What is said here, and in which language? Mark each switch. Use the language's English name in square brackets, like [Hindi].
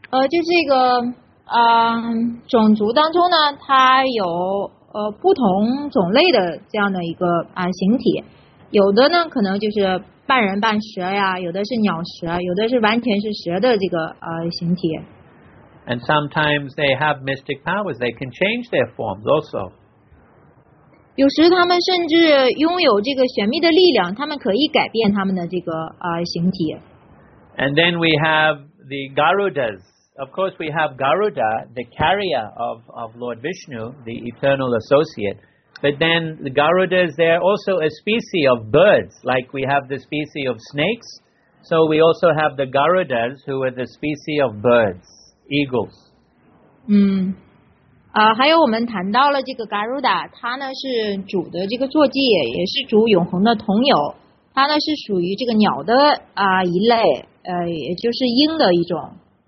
[Chinese] 就这个种族当中呢，它有不同种类的这样的一个形体。有的呢可能就是半人半蛇呀，有的是鸟蛇，有的是完全是蛇的这个形体。 [English] And sometimes they have mystic powers, they can change their forms also. [Chinese] 有时他们甚至拥有这个玄秘的力量，他们可以改变他们的这个形体。 [English] And then we have the Garudas. Of course we have Garuda, the carrier of Lord Vishnu, the eternal associate. But then the Garudas, they're also a species of birds, like we have the species of snakes. So we also have the Garudas, who are the species of birds, eagles. [Chinese] 还有我们谈到了这个 Garuda, 它呢是主的这个坐骑，也是主永恒的同友。它呢是属于这个鸟的一类，也就是鹰的一种。